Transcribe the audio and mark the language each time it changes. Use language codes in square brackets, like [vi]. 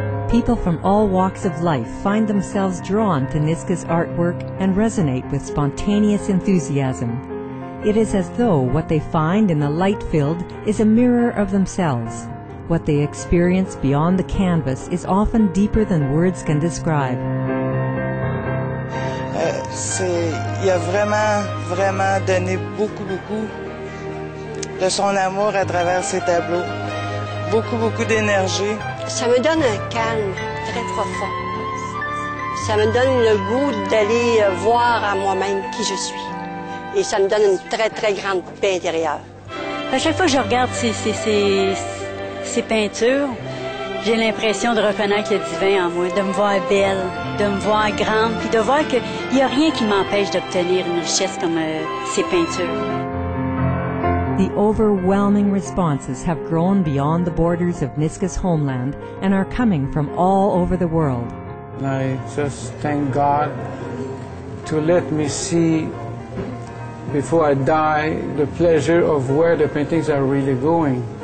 [en] People from all walks of life find themselves drawn to Niska's artwork and resonate with spontaneous enthusiasm. It is as though what they find in the light field is a mirror of themselves. What they experience beyond the canvas is often deeper than words can describe. [fr] C'est, il a vraiment, vraiment donné beaucoup, beaucoup de son amour à travers ses tableaux. Beaucoup, beaucoup d'énergie. Ça me donne un calme très profond. Ça me donne le goût d'aller voir à moi-même qui je suis. Et ça me donne une très, très grande paix intérieure. À chaque fois que je regarde ces peintures, j'ai l'impression de reconnaître le divin en moi, de me voir belle, de me voir grande, puis de voir qu'il n'y a rien qui m'empêche d'obtenir une richesse comme ces peintures. [en] The overwhelming responses have grown beyond the borders of Niska's homeland and are coming from all over the world. I just thank God to let me see, before I die, the pleasure of where the paintings are really going.